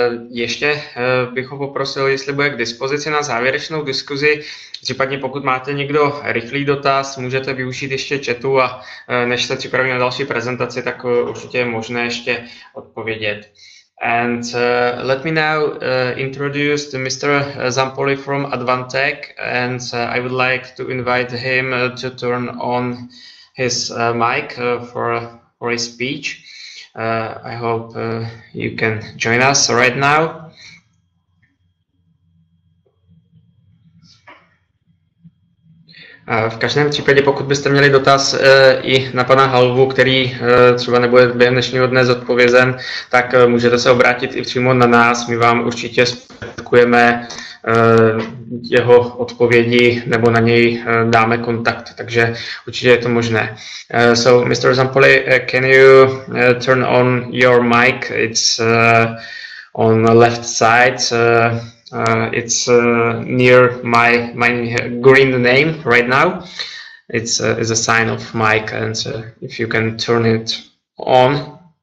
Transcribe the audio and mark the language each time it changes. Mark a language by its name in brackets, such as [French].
[Czech] Ještě bych ho poprosil, jestli bude k dispozici na závěrečnou diskuzi, případně pokud máte někdo rychlý dotaz, můžete využít ještě chatu a než se připraví na další prezentaci, tak určitě je možné ještě odpovědět. [English] And let me now introduce to Mr. Zampoli from Advantech, and I would like to invite him to turn on his mic for his speech. I hope you can join us right now. [Czech] V každém případě, pokud byste měli dotaz i na pana Halvu, který třeba nebude během dnešního dne zodpovězen, tak můžete se obrátit i přímo na nás. My vám určitě zpětkujeme jeho odpovědi nebo na něj dáme kontakt, takže určitě je to možné. [English] So, Mr. Zampoli, can you turn on your mic? It's on the left side. It's near my green name right now. It's a sign of mic, and if you can turn it on.